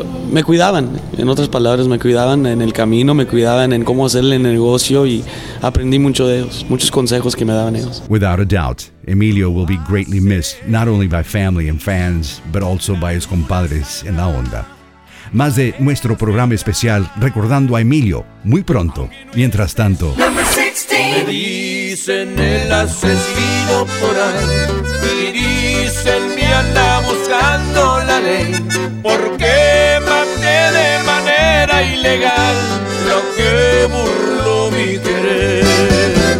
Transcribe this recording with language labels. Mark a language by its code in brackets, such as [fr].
[es] me cuidaban, en otras palabras, me cuidaban en el camino, me cuidaban en cómo hacer el negocio y aprendí mucho de ellos, muchos consejos que me daban ellos. [en] Without a doubt, Emilio will be greatly missed, not only by family and fans, but also by his [es] compadres en La Onda. Más de nuestro programa especial recordando a Emilio muy pronto. Mientras tanto, [en] Number 16. [es] Me dicen el asesino por ahí, y dicen me anda buscando la ley, porque maté de manera ilegal lo que burló mi querer.